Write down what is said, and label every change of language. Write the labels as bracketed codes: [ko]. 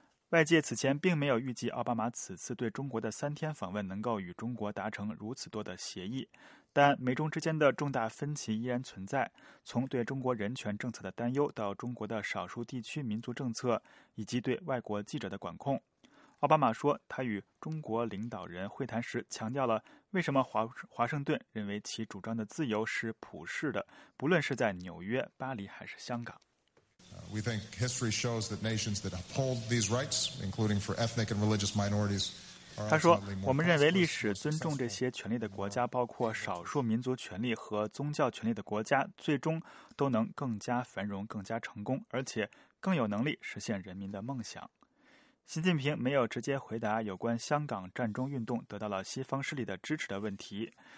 [zh] 外界此前并没有预计奥巴马此次对中国的3天访问能够与中国达成如此多的协议，但美中之间的重大分歧依然存在，从对中国人权政策的担忧到中国的少数地区民族政策以及对外国记者的管控。奥巴马说，他与中国领导人会谈时强调了为什么华盛顿认为其主张的自由是普世的，不论是在纽约、巴黎还是香港。 [en] We think history shows that nations that uphold these rights, including for ethnic and religious minorities, are ultimately more prosperous. [zh] 他说，我们认为历史尊重这些权利的国家，包括少数民族权利和宗教权利的国家，最终都能更加繁荣、更加成功，而且更有能力实现人民的梦想。习近平没有直接回答有关香港占中运动得到了西方势力的支持的问题。